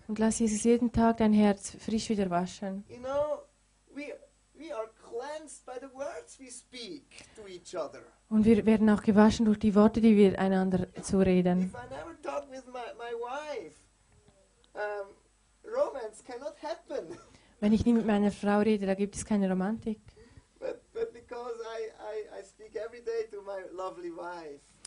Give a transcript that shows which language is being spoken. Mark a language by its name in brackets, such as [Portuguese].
[German] Und lass Jesus jeden Tag dein Herz frisch wieder waschen. [English] You know, we are cleansed by the words we speak to each other. [German] Und wir werden auch gewaschen durch die Worte, die wir einander zureden. [English] If I never talk with my wife, romance cannot happen. [German] Wenn ich nie mit meiner Frau rede, da gibt es keine Romantik. [English] But because I speak every day to my lovely wife.